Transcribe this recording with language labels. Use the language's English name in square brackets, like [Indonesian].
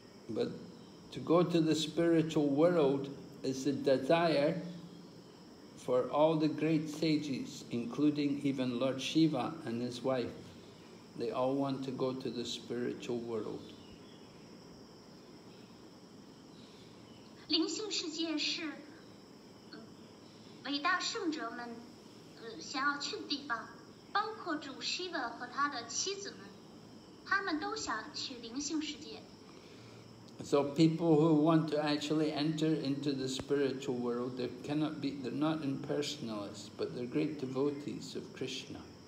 [English] But to go to the spiritual world is the desire for all the great sages, including even Lord Shiva and his wife. They all want to go to the spiritual world. [Chinese] 灵性世界是伟大圣者们想要去的地方，包括主Shiva和他的妻子们，他们都想去灵性世界。 [English] So people who want to actually enter into the spiritual world, they cannot be, they're not impersonalists, but they're great devotees of Krishna.